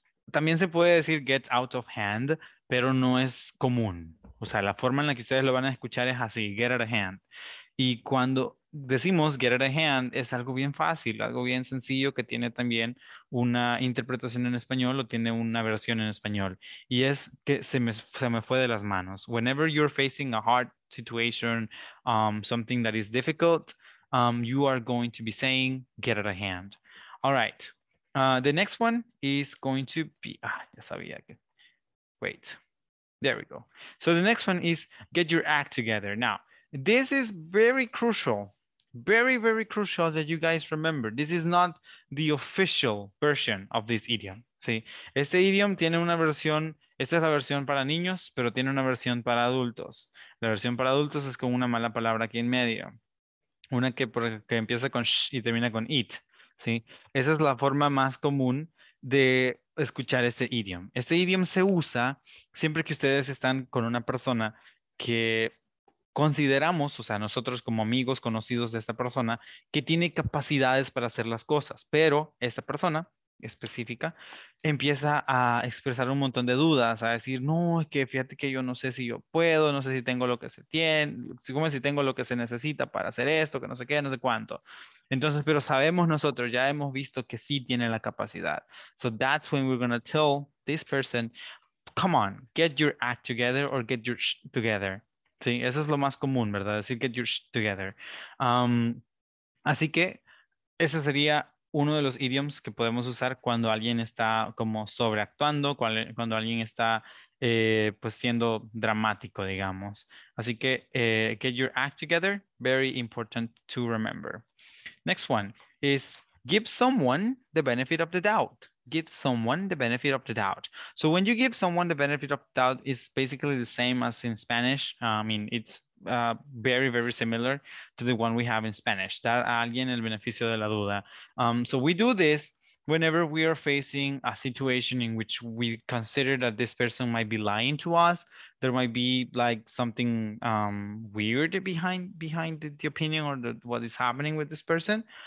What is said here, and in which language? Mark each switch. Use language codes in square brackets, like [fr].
[es] También se puede decir get out of hand, pero no es común, o sea, la forma en la que ustedes lo van a escuchar es así, get out of hand. Y cuando decimos get out of hand es algo bien fácil, algo bien sencillo que tiene también una interpretación en español o tiene una versión en español. Y es que se me fue de las manos. [en] Whenever you're facing a hard situation, something that is difficult, you are going to be saying get out of hand. All right. The next one is going to be... [es] ya sabía que... [en] Wait. There we go. So the next one is get your act together. Now, this is very crucial. Very, very crucial that you guys remember. This is not the official version of this idiom. [es] ¿Sí? Este idiom tiene una versión, esta es la versión para niños, pero tiene una versión para adultos. La versión para adultos es con una mala palabra aquí en medio. Una que empieza con sh y termina con it, ¿sí? Esa es la forma más común de escuchar este idiom. Este idiom se usa siempre que ustedes están con una persona que consideramos, o sea, nosotros como amigos, conocidos de esta persona, que tiene capacidades para hacer las cosas, pero esta persona específica empieza a expresar un montón de dudas, a decir, no, es que fíjate que yo no sé si yo puedo, no sé si tengo lo que se tiene, como si tengo lo que se necesita para hacer esto, que no sé qué, no sé cuánto. Entonces, pero sabemos nosotros, ya hemos visto que sí tiene la capacidad. [en] So that's when we're going to tell this person, come on, get your act together or get your sh together. [es] Sí, eso es lo más común, ¿verdad? Decir get your sh together. Así que ese sería uno de los idioms que podemos usar cuando alguien está como sobreactuando, cuando alguien está pues siendo dramático, digamos. Así que [en] get your act together, very important to remember. Next one is give someone the benefit of the doubt. Give someone the benefit of the doubt. So when you give someone the benefit of doubt, it's basically the same as in Spanish. I mean, it's very, very similar to the one we have in Spanish. [es] Dar a alguien el beneficio de la duda. [en] So we do this whenever we are facing a situation in which we consider that this person might be lying to us. There might be like something weird behind the opinion or what is happening with this person.